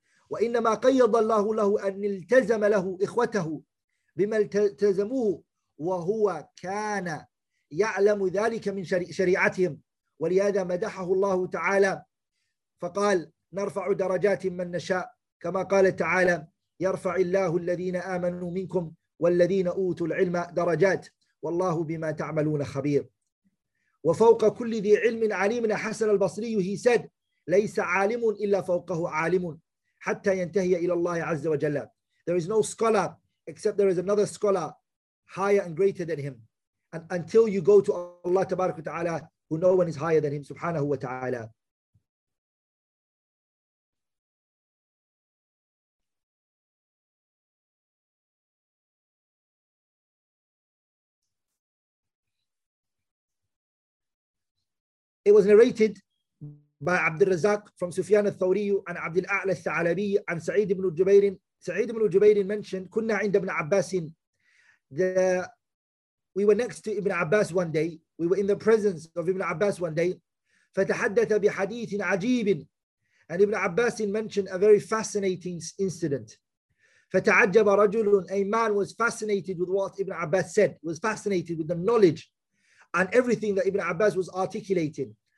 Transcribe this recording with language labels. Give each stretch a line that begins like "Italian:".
Arabic: وإنما قيض الله له أن التزم له إخوته بما التزموه وهو كان يعلم ذلك من شريعتهم ولهذا مدحه الله تعالى فقال نرفع درجات من نشاء كما قال تعالى يرفع الله الذين آمنوا منكم والذين أوتوا العلم درجات والله بما تعملون خبير وفوق كل ذي علم عليم. حسن البصري
English: he said
Arabic: ليس عالم إلا فوقه عالم حتى ينتهي إلى الله عز وجل.
English: There is no scholar except there is another scholar higher and greater than him. And until you go to Allah تبارك وتعالى, who no one is higher than him سبحانه وتعالى. It was narrated by عبد الرزاق from سفيان الثوري عن عبد الأعلى الثعلبي عن سعيد بن الجبير.
Arabic: سعيد بن الجبير mentioned كنا عند ابن عباس.
English: We were next to Ibn Abbas one day. We were in the presence of Ibn Abbas one day.
Arabic: فتحدث بحديث عجيب.
English: And Ibn Abbas mentioned a very fascinating incident.
Arabic: فتعجب رجل.
English: A man was fascinated with what Ibn Abbas said. He was fascinated with the knowledge and everything that Ibn Abbas was articulating.